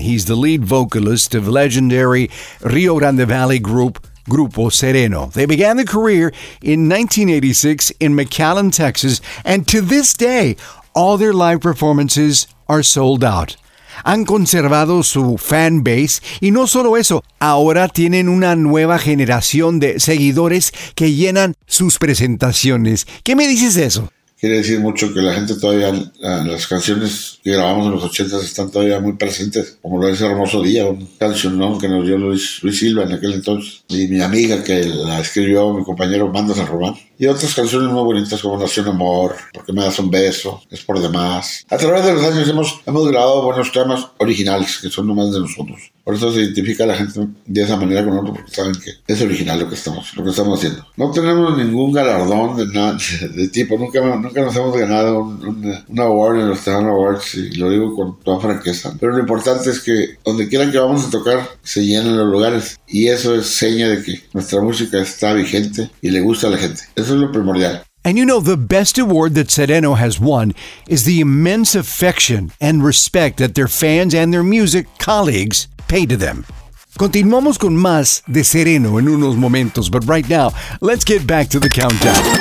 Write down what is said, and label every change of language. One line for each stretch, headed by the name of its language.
English: He's the lead vocalist of legendary Rio Grande Valley group, Grupo Sereno. They began their career in 1986 in McAllen, Texas, and to this day, all their live performances are sold out.
Spanish: Han conservado su fan base, y no solo eso, ahora tienen una nueva generación de seguidores que llenan sus presentaciones. ¿Qué me dices de eso? Quiere decir mucho que la gente todavía, las canciones que grabamos en los 80s están todavía muy presentes, como lo es Hermoso Día, una canción, ¿no?, que nos dio Luis Silva en aquel entonces, y mi amiga que la escribió, mi compañero Mando San Román, y otras canciones muy bonitas como Nació un Amor, Porque me das un beso, Es por demás. A través de los años hemos grabado buenos temas originales, que son nomás de nosotros. Por eso se identifica a la gente de esa manera con nosotros, porque saben que es original lo que estamos haciendo. No tenemos ningún galardón de nada, de tipo. Nunca nos hemos ganado un award en los Tejano Awards, y lo digo con toda franqueza. Pero lo importante es que donde quieran que vamos a tocar, se llenen los lugares. Y eso es seña de que nuestra música está vigente y le gusta a la gente. Eso es lo primordial.
English: And you know, the best award that Sereno has won is the immense affection and respect that their fans and their music colleagues pay to them.
Spanish: Continuamos con más de Sereno en unos momentos,
English: but right now, let's get back to the countdown.